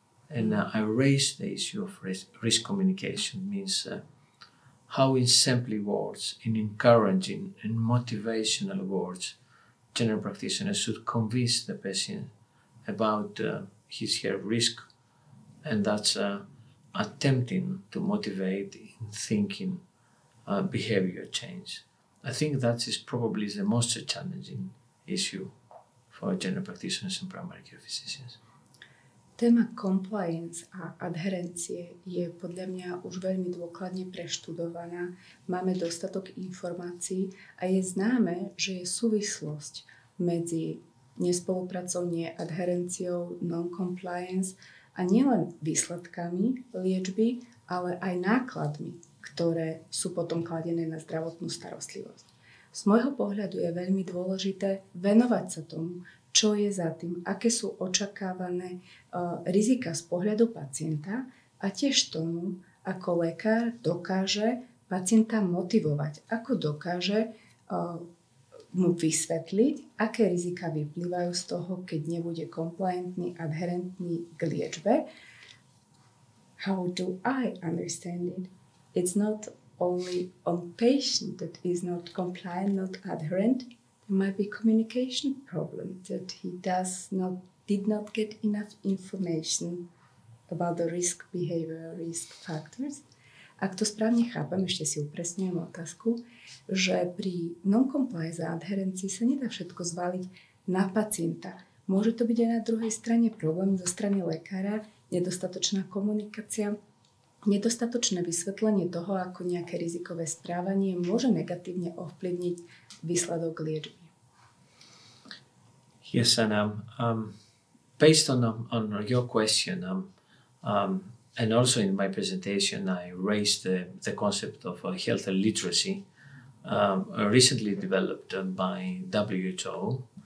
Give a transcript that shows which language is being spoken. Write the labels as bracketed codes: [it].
[en] And I raised the issue of risk communication, means how in simply words, in encouraging and motivational words, general practitioners should convince the patient about his or her risk, and that's attempting to motivate in thinking behavior change. I think that is probably the most challenging issue for general practitioners and primary care physicians. [sk] Téma compliance a adherencie je podľa mňa už veľmi dôkladne preštudovaná. Máme dostatok informácií a je známe, že je súvislosť medzi nespolupracou, neadherenciou, non-compliance a nielen výsledkami liečby, ale aj nákladmi, ktoré sú potom kladené na zdravotnú starostlivosť. Z môjho pohľadu je veľmi dôležité venovať sa tomu, čo je za tým, aké sú očakávané rizika z pohľadu pacienta a tiež tomu, ako lekár dokáže pacienta motivovať, ako dokáže mu vysvetliť, aké rizika vyplývajú z toho, keď nebude compliantný, adherentný k liečbe. [en] How do I understand it? It's not only on patient that is not compliant, not adherent. There might be communication problem that he does not, did not get enough information about the risk behavior, risk factors. [sk] Ak to správne chápem, ešte si upresňujem otázku, že pri non-compliance a adherencii sa nedá všetko zvaliť na pacienta. Môže to byť aj na druhej strane problém zo strany lekára, nedostatočná komunikácia, nedostatočné vysvetlenie toho, ako nejaké rizikové správanie môže negatívne ovplyvniť výsledok liečby. [en] Yes, and based on your question, and also in my presentation, I raised the concept of health literacy, recently developed by WHO.